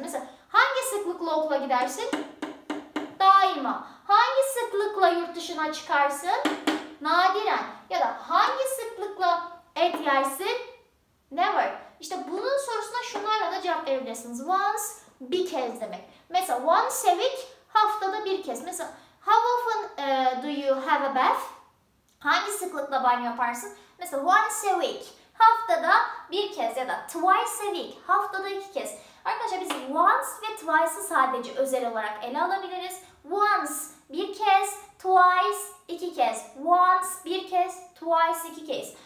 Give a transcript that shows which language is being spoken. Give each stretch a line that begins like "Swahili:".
Turkish: Mesela hangi sıklıkla okula gidersin? Daima. Hangi sıklıkla yurt dışına çıkarsın? Nadiren. Ya da hangi sıklıkla et yersin? Never. İşte bunun sorusuna şunlarla da cevap verebilirsiniz. Once, bir kez demek. Mesela
English: once a week,
Turkish: haftada bir kez.
English: Mesela how often do you have a bath?
Turkish: Hangi sıklıkla banyo yaparsın? Mesela
English: once a week,
Turkish: haftada bir kez. Ya da
English: twice a week,
Turkish: haftada iki kez. Arkadaşlar biz once ve twice'ı sadece özel olarak ele alabiliriz. Once, bir kez. Twice, iki kez. Once, bir kez. Twice, iki kez.